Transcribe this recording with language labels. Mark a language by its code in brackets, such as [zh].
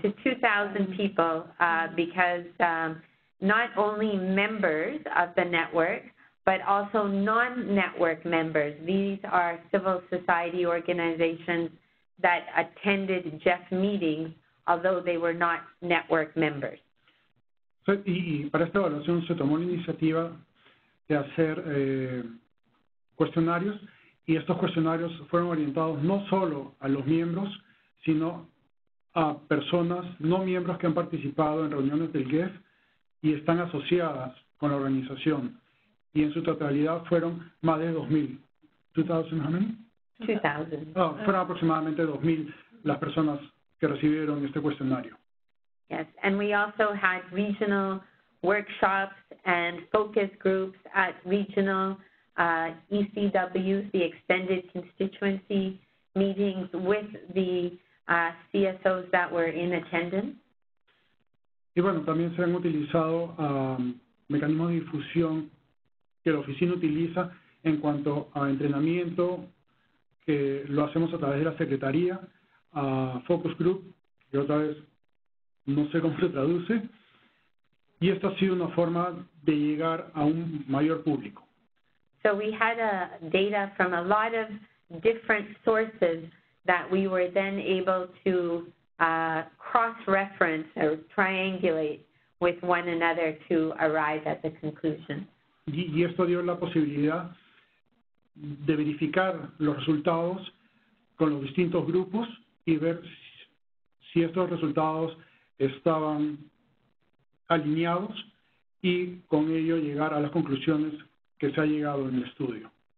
[en] To 2,000 people, because not only members of the network, but also non-network members. These are civil society organizations that attended GEF meetings although they were not network members. [es] Y para esta evaluación se tomó la iniciativa de hacer cuestionarios, y estos cuestionarios fueron orientados no solo a los miembros, sino a personas no miembros que han participado en reuniones del GEF y están asociadas con la organización. Y en su totalidad fueron más de 2,000. Fueron aproximadamente 2,000 las personas que recibieron este cuestionario. [en] Yes, and we also had regional workshops and focus groups at regional ECWs, the extended constituency meetings with the CSOs that were in attendance. [es] Y bueno, también se han utilizado mecanismos de difusión que la oficina utiliza en cuanto a entrenamiento, que lo hacemos a través de la secretaría, a focus group, que otra vez no sé cómo se traduce, y esto ha sido una forma de llegar a un mayor público. [en] So we had data from a lot of different sources that we were then able to cross-reference or triangulate with one another to arrive at the conclusion. [es] Y esto dio la posibilidad de verificar los resultados con los distintos grupos y ver si estos resultados estaban alineados y con ello llegar a las conclusiones que se ha llegado en el estudio.